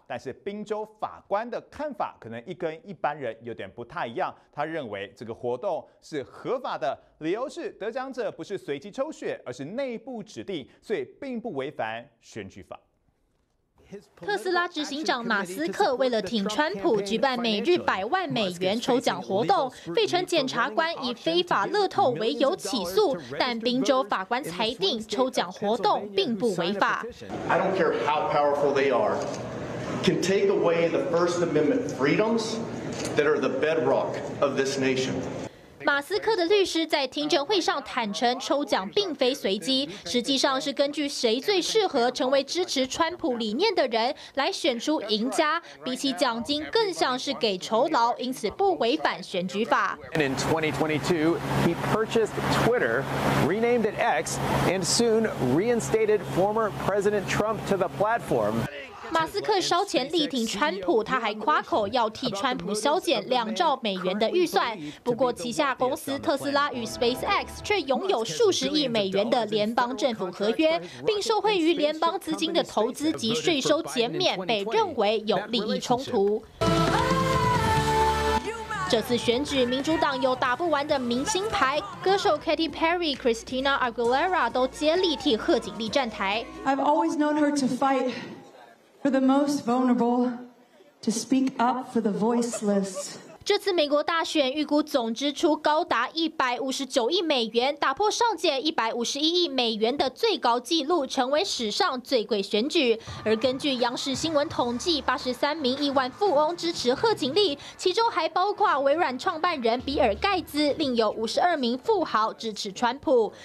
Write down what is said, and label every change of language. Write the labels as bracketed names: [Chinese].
[Chinese] 但是宾州法官的看法可能跟一般人有点不太一样，他认为这个活动是合法的，理由是得奖者不是随机抽选，而是内部指定，所以并不违反选举法。特斯拉执行长马斯克为了挺川普，举办每日100万美元抽奖活动。费城检察官以非法乐透为由起诉，但宾州法官裁定抽奖活动并不违法。 [English] I don't care how powerful they are, can take away the First Amendment freedoms that are the bedrock of this nation. [Chinese] 马斯克的律师在听证会上坦承，抽奖并非随机，实际上是根据谁最适合成为支持川普理念的人来选出赢家，比起奖金更像是给酬劳，因此不违反选举法。 [English] And in 2022, he purchased Twitter, renamed it X, and soon reinstated former President Trump to the platform. [Chinese] 马斯克稍前力挺川普，他还夸口要替川普削减$2兆的预算。不过，旗下公司特斯拉与 SpaceX 却拥有数十亿美元的联邦政府合约，并受惠于联邦资金的投资及税收减免，被认为有利益冲突。这次选举，民主党有打不完的明星牌，歌手 Katy Perry、Christina Aguilera 都接力替贺锦丽站台。 [English] I've always known her to fight. For the most vulnerable, to speak up for the voiceless. [Chinese] 这次美国大选预估总支出高达$159亿，打破上届$151亿的最高纪录，成为史上最贵选举。而根据央视新闻统计，83名亿万富翁支持贺锦丽，其中还包括微软创办人比尔盖茨，另有52名富豪支持川普。